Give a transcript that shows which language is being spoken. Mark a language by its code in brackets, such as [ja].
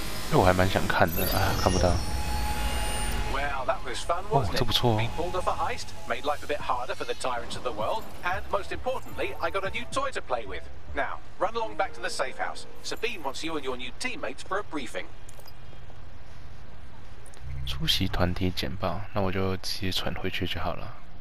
[zh] 那我还蛮想看的啊，看不到。 [en] Well, that was fun, wasn't it? Pulled off a heist, made life a bit harder for the tyrants of the world, and most importantly, I got a new toy to play with. Now, run along back to the safe house. Sabine wants you and your new teammates for a briefing. [zh] 出席团体简报，那我就直接传回去就好了。